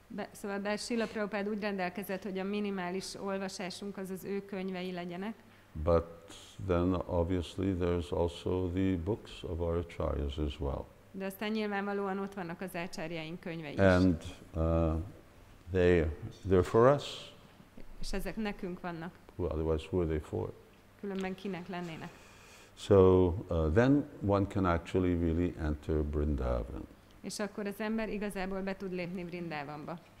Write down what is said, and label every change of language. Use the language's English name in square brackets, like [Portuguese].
[Hungarian] Szóval Srila Prabhupada úgy rendelkezett, hogy a minimális olvasásunk az ő könyvei legyenek. [English] But then obviously there's also the books of our acharyas as well. [Hungarian] De aztán nyilvánvalóan ott vannak az acharyaink könyvei is. [English] And they're for us. [Hungarian] És ezek nekünk vannak. [English] Otherwise, who are they for? [Hungarian] Különben kinek lennének. [English] So then one can actually really enter Vṛndāvana. [Hungarian] És akkor az ember igazából be tud lépni Vṛndāvanba.